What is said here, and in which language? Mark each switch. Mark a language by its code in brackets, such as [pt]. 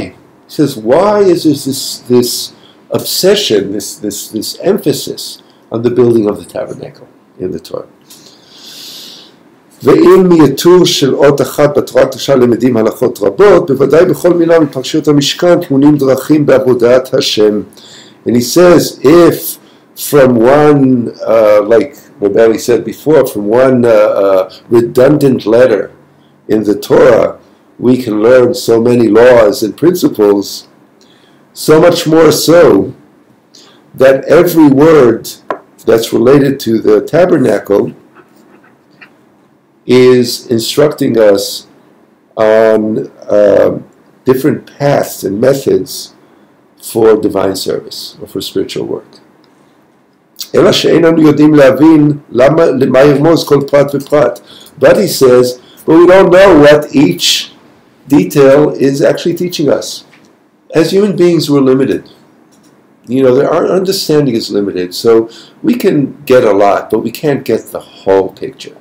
[en] He says, why is there this obsession, this emphasis on the building of the tabernacle in the Torah? [he] ואם מייתור של אות אחת בתורה הקדושה למדים הלכות רבות, בוודאי בכל מילה מפרשיות המשכן תמונים דרכים בעבודת השם. [en] And he says, if from one, like Rabbi said before, from one redundant letter in the Torah, we can learn so many laws and principles, so much more so that every word that's related to the tabernacle is instructing us on different paths and methods for divine service or for spiritual work. [he] אלא שאיננו יודעים להבין למה ירמוז כל פרט ופרט. [en] But he says, but we don't know what each detail is actually teaching us. As human beings, we're limited. You know, our understanding is limited, so we can get a lot, but we can't get the whole picture.